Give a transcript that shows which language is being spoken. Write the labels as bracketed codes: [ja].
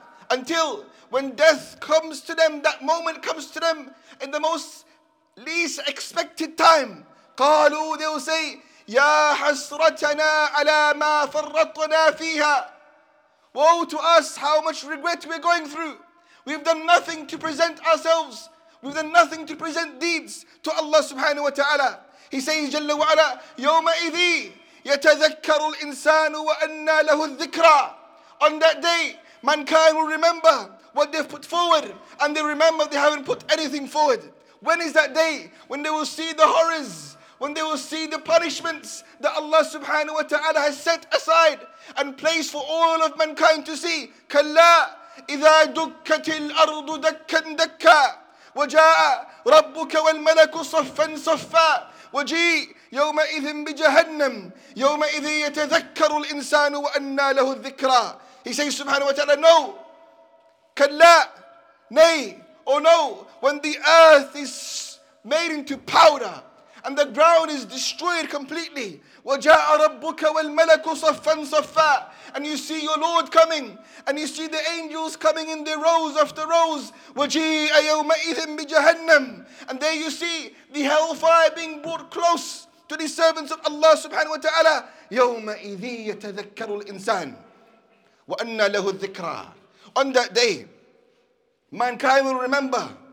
[en] Until when death comes to them, that moment comes to them in the most least expected time. [ar] قَالُوا, [en] they will say, [ar] يَا حَسْرَتَنَا عَلَى مَا فَرَّطْنَا فِيهَا. [en] Woe to us, how much regret we're going through. We've done nothing to present ourselves. We've done nothing to present deeds to Allah subhanahu wa ta'ala. He says, [ar] جَلَّ وَعَلَى, يَوْمَئِذِي يَتَذَكَّرُ الْإِنسَانُ وَأَنَّا لَهُ الذِّكْرَى. [en] On that day, mankind will remember what they've put forward, and they remember they haven't put anything forward. When is that day? When they will see the horrors, when they will see the punishments that Allah subhanahu wa ta'ala has set aside and placed for all of mankind to see. [ar] كَلَّا إِذَا دُكَّتِ الْأَرْضُ دَكًّا دَكًّا وَجَاءَ رَبُّكَ وَالْمَلَكُ صَفًّا صَفًّا وَجِيءَ يَوْمَئِذٍ بِجَهَنَّمَ يَوْمَئِذٍ يَتَذَكَّرُ الْإِنسَانُ وَأَنَّى لَهُ الذِّكْرَى. [en] He says subhanahu wa ta'ala, no, [ar] كَلَّا, nay, [en] or no, when the earth is made into powder and the ground is destroyed completely, [ar] وَجَاءَ رَبُّكَ وَالْمَلَكُ صَفًّا صَفًّا, [en] and you see your Lord coming, and you see the angels coming in their rows after rows, [ar] وَجِيءَ يَوْمَئِذٍ بِجَهَنَّمْ, [en] and there you see the hellfire being brought close to the servants of Allah subhanahu wa ta'ala, [ar] يَوْمَئِذِي يَتَذَكَّرُ الْإِنسَانِ وَأَنَّ لَهُ الذِّكْرَى, [en] on that day, mankind will remember.